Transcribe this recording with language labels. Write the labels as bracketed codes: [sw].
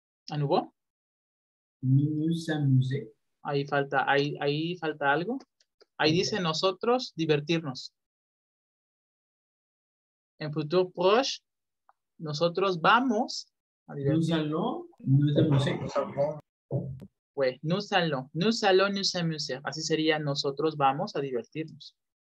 [fr] ¿A nouveau? Nous amuser. [es] Ahí falta algo. Ahí dice nosotros divertirnos. En futuro proche, nosotros vamos a divertirnos. [fr] Nous allons nous amuser. Pues, nous allons. Nous allons nous amuser. [es] Así sería, nosotros vamos a divertirnos.